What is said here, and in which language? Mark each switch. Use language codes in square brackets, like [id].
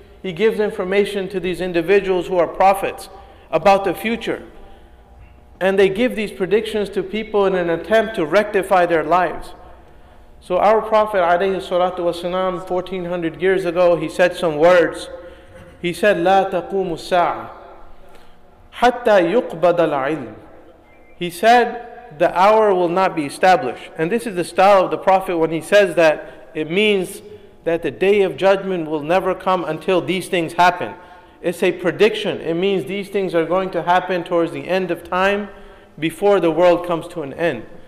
[en] He gives information to these individuals who are prophets about the future. And they give these predictions to people in an attempt to rectify their lives. So our Prophet alayhi salatu wasalam, 1400 years ago, he said some words. He said, [ar] لا تقوم الساعة حتى يقبض العلم. [en] He said, the hour will not be established. And this is the style of the Prophet when he says that. It means that the day of judgment will never come until these things happen. It's a prediction. It means these things are going to happen towards the end of time, before the world comes to an end.